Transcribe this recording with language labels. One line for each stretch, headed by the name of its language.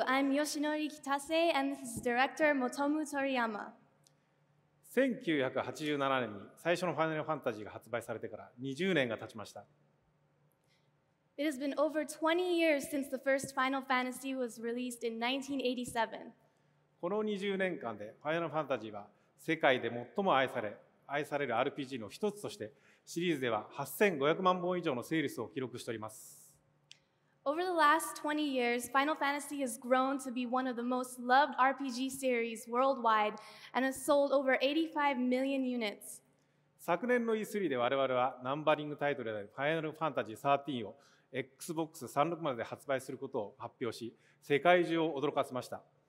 English: I'm Yoshinori Kitase, and this is director Motomu Toriyama.
Japanese: 1987年に 最初のファイナルファンタジーが発売されてから 20年が経ちました。
English: It has been over 20 years since the first Final Fantasy was released in 1987.
Japanese: この 20年間でファイナルファンタジーは世界で最も愛される RPG の一つとしてシリーズでは 8500万本以上のセールスを記録しております。
English: Over the last 20 years, Final Fantasy has grown to be one of the most loved RPG series worldwide and has sold over 85 million units.
Japanese: 昨年のE3で我々はナンバリングタイトルであるFinal Fantasy13を Xbox360まで発売することを発表し、世界中を驚かせました。